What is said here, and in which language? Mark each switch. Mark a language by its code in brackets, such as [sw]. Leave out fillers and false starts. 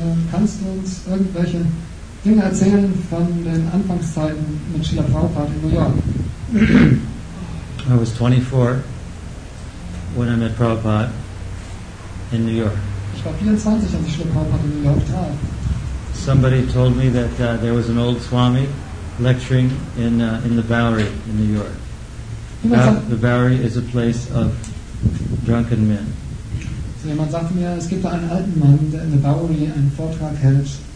[de] Kannst du uns irgendwelche Dinge erzählen von den Anfangszeiten mit Srila Prabhupada in New York? [en] I was 24 when I met Prabhupada in New York. [de] Ich war 24, als ich Srila Prabhupada in New York traf. [en] Somebody told me that there was an old Swami lecturing in the Bowery in New York. The Bowery is a place of drunken men. [de] Jemand sagte mir, es gibt da einen alten Mann, der in der Bowery einen Vortrag hält.